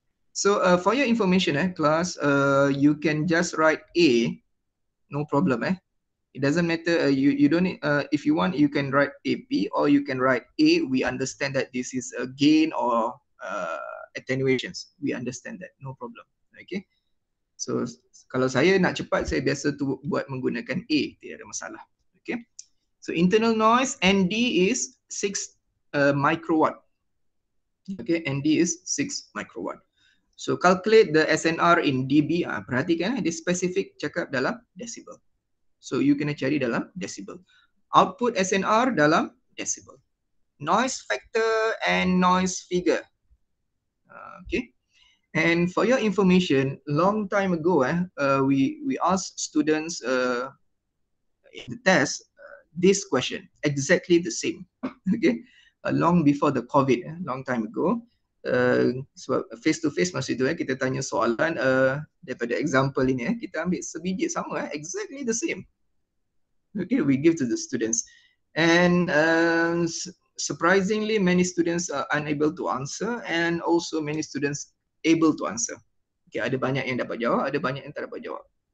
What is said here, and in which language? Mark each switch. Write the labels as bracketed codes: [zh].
[en] So for your information, class, you can just write A, no problem, It doesn't matter. You don't need, if you want, you can write AP or you can write A. We understand that this is a gain or attenuations. We understand that, no problem. Okay. [ms] So kalau saya nak cepat, saya biasa tu buat menggunakan A, tidak ada masalah. [en] Okay. So internal noise ND is 6 microwatt. Okay, ND is 6 microwatt. So calculate the SNR in dB. [ms] Perhatikan, dia specific cakap dalam decibel. So you kena cari dalam decibel. [en] Output SNR dalam decibel. Noise factor and noise figure. Okay. And for your information, long time ago, we asked students in the test this question, exactly the same. [ms] Okay. [en] Long before the COVID, long time ago. [ms] Sebab face to face masa itu kita tanya soalan daripada example ini kita ambil sebiji sama [en] exactly the same. Okay, we give to the students and surprisingly many students are unable to answer and also many students able to answer. [ms] Okay, ada banyak yang dapat jawab, ada banyak yang tak dapat jawab.